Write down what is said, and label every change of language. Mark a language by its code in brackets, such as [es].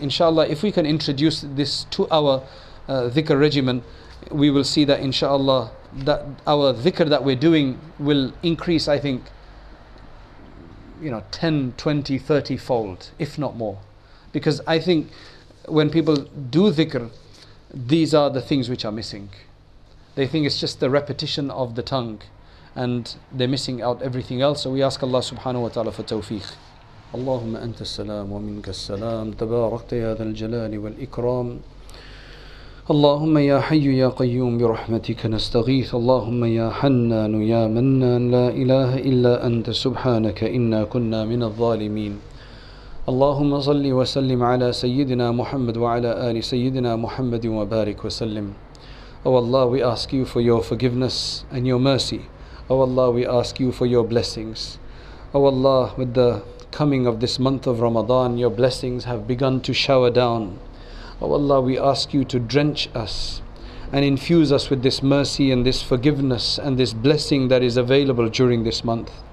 [en] Inshallah, if we can introduce this to our dhikr regimen, we will see that inshallah, that our dhikr that we're doing will increase, I think, you know, 10, 20, 30 fold, if not more. Because I think when people do dhikr, these are the things which are missing. They think it's just the repetition of the tongue, and they're missing out everything else. So we ask Allah [ar] subhanahu wa ta'ala [en] for tawfiq. [ar] اللهم أنت السلام ومنك السلام تباركت يا ذا الجلال والإكرام اللهم يا حي يا قيوم برحمتك نستغيث اللهم يا حنان يا منان لا إله إلا أنت سبحانك إنا كنا من الظالمين اللهم صل وسلم على سيدنا محمد وعلى آل سيدنا محمد وبارك وسلم. [en] Oh Allah, we ask you for your forgiveness and your mercy. Oh Allah, we ask you for your blessings. Oh Allah, with the coming of this month of Ramadan, your blessings have begun to shower down. Oh Allah, we ask you to drench us and infuse us with this mercy and this forgiveness and this blessing that is available during this month.